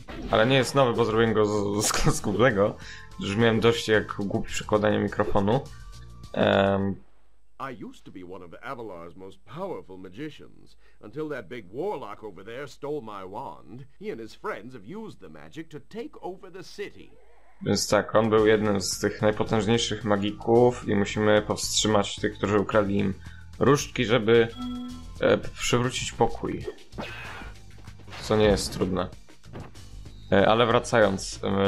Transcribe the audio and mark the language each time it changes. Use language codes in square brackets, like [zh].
[pl] Ale nie jest nowy, bo zrobiłem go z głównego. Już miałem dość jak głupie przekładanie mikrofonu. [en] I used to be one of Avalar's most powerful magicians, until that big warlock over there stole my wand. He and his friends have used the magic to take over the city. [pl] Więc tak, on był jednym z tych najpotężniejszych magików i musimy powstrzymać tych, którzy ukradli im różdżki, żeby przywrócić pokój. Co nie jest trudne. Ale wracając...